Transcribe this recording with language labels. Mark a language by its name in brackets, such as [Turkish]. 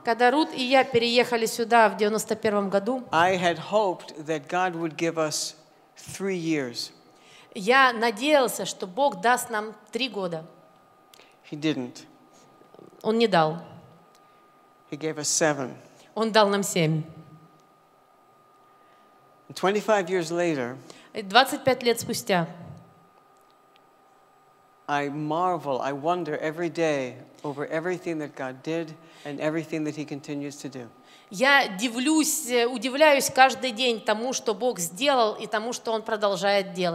[Russian] Когда Рут и я переехали сюда в 91 году. [English] I had hoped that God would give us 3 years. [Russian] Я надеялся, что Бог даст нам 3 года. [English] He didn't. [Russian] Он не дал. [English] He gave us 7. [Russian] Он дал нам 7. [English] 25 years later. [Russian] 25 лет спустя. [English] I marvel, I wonder every day over everything that God did and everything that He continues to do. [Russian] Я удивляюсь каждый день тому, что Бог сделал и тому, что Он продолжает